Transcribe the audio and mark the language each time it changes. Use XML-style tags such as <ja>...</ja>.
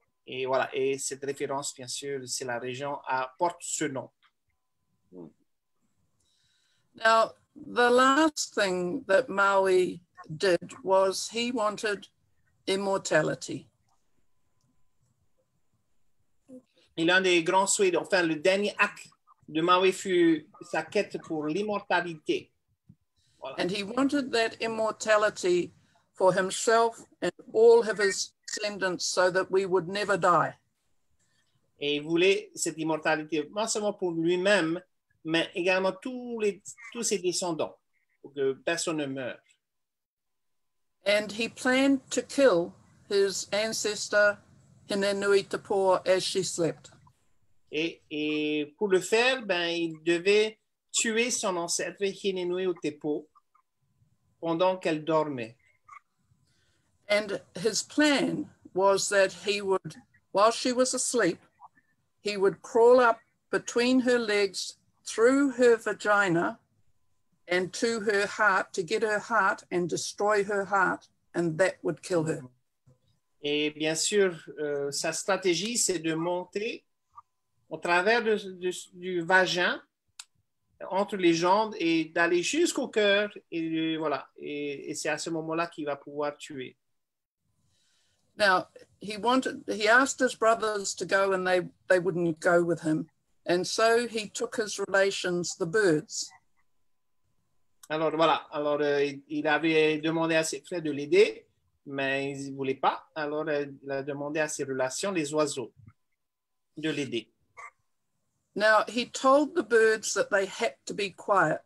<fr>Et voilà, et cette référence, bien sûr, c'est la région apporte ce nom.</fr> <en>Now, the last thing that Maui did was he wanted immortality.</en> <fr>Et l'un des grands souhaits, enfin, le dernier acte de Maui fut sa quête pour l'immortalité. Voilà.</fr> <en>And he wanted that immortality for himself and all of his descendants so that we would never die.</en> <fr>Et il voulait cette immortalité, non seulement pour lui-même, mais également tous ses descendants, pour que personne ne meure.</fr> <en>And he planned to kill his ancestor, Hinenui Tapoa, as she slept.</en> <fr>Et pour le faire, ben, il devait tuer son ancêtre, Hinenui Tapoa, pendant qu'elle dormait.</fr> <en>And his plan was that he would, while she was asleep, he would crawl up between her legs, through her vagina, and to her heart, to get her heart and destroy her heart, and that would kill her.</en> <fr>Et bien sûr, sa stratégie, c'est de monter au travers du vagin, entre les jambes, et d'aller jusqu'au cœur, et voilà. Et c'est à ce moment-là qu'il va pouvoir tuer.</fr> <en>Now, he asked his brothers to go, and they wouldn't go with him. And so he took his relations, the birds.</en> <fr>Alors, voilà. Alors, il avait demandé à ses frères de l'aider, mais ils ne voulaient pas. Alors, il a demandé à ses relations, les oiseaux, de l'aider.</fr> <en>Now, he told the birds that they had to be quiet.</en>